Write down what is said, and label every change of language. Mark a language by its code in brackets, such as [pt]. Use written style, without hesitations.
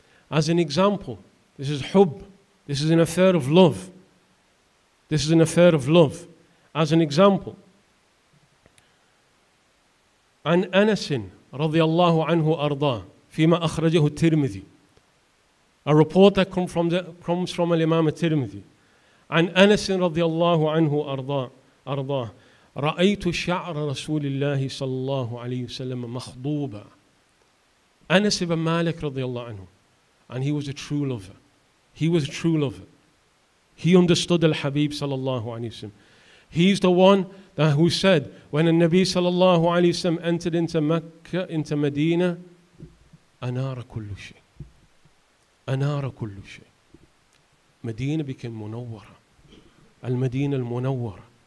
[en] As an example, this is hub. This is an affair of love. This is an affair of love. As an example, an Anasin radiallahu anhu arda. [ar] فيما أخرجه الترمذي. [en] A report that comes from Imam al-Tirmidhi. [ar] عن أنس رضي الله عنه أرضاه رأيت شعر رسول الله صلى الله عليه وسلم مخضوبا. أنس بن مالك رضي الله عنه. [en] And he was a true lover. He was a true lover. He understood al-Habib صلى الله عليه وسلم. He's the one that who said when the Nabi صلى الله عليه وسلم entered into Mecca, into Medina, [ar] Anara kullu shay. Anara kullu shay. [en] Medina became munawwara. Al-Medina al-munawwara.